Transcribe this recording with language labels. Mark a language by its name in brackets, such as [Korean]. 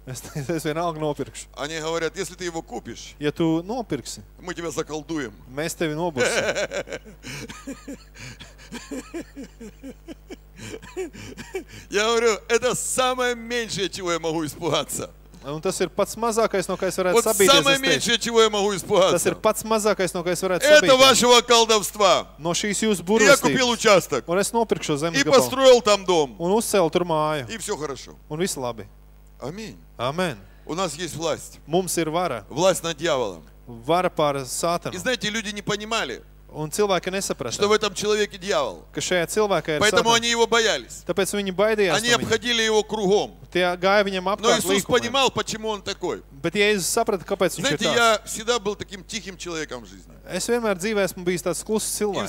[Latvian] Es vienalga nopirkšu. [Russian] Они говорят, если ты его купишь. [Latvian] Ja tu nopirksi. [Russian] Мы тебя заколдуем. [Latvian] Mēs tevi nobursim. [Russian] Я говорю, это самое меньшее, чего я могу испугаться. [Latvian] Un tas ir pats mazākais, no kā es varētu sabīties. [Russian] Вот самое меньшее, чего я могу испугаться. [Latvian] Tas ir pats mazākais, no kā es varētu сабиться. [Russian] Это вашего колдовства. [Latvian] No šīs jūsu burvestības. [Russian] Я купил участок. [Latvian] Un es nopirkšu zemi gabalu. [Russian] И построил там дом. [Latvian] Un uzcēlu tur māju. [Russian] И все хорошо. [Latvian] Un viss labi. [Russian] Аминь. [Latvian] Amen. [Russian] У нас есть власть. [Latvian] Mums ir vara. [Russian] Власть над дьяволом. [Latvian] Vara pār Sātanu. [Russian] И знаете, люди не понимали. [Latvian] Un cilvēki nesaprata. [Russian] Что в этом человеке дьявол? [Latvian] Ka šajā cilvēkā ir [Russian] Поэтому они его боялись. [Latvian] Tāpēc viņi baidījās. [Russian] Они обходили его кругом. [Latvian] Tie gāja viņam apkārt līkumiem. [Russian] Но Иисус понимал, почему он такой. [Latvian] Bet Jēzus saprata, kāpēc viņš ir tāds. [Russian] Знаете, я всегда был таким тихим человеком в жизни. [Latvian] Es vienmēr dzīvē esmu bijis tāds klusis cilvēks.